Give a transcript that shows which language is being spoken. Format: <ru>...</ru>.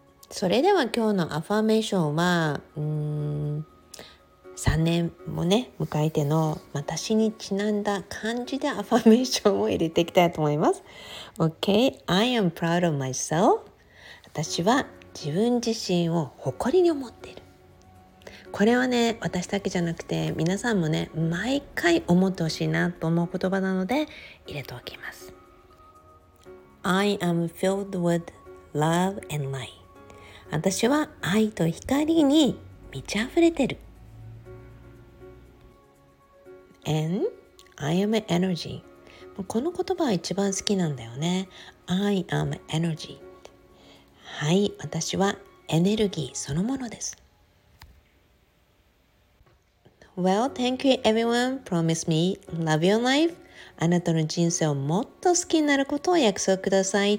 <ja>それでは今日のアファーメーションは、3年もね迎えての、私にちなんだ感じでアファメーションを入れていきたいと思います。</ja> <en>OK, I am proud of myself.</en> <ja>私は自分自身を誇りに思っている。これはね、私だけじゃなくて皆さんもね、毎回思ってほしいなと思う言葉なので入れておきます。</ja> <en>I am filled with love and light.</en> <ja>私は愛と光に満ち溢れてる。</ja> <en>And I am energy.</en> <ja>この言葉は一番好きなんだよね。</ja> <en>I am energy.</en> <ja>はい、私はエネルギーそのものです。</ja> <en>Well, thank you everyone. Promise me, love your life.</en> <ja>あなたの人生をもっと好きになることを約束ください。</ja>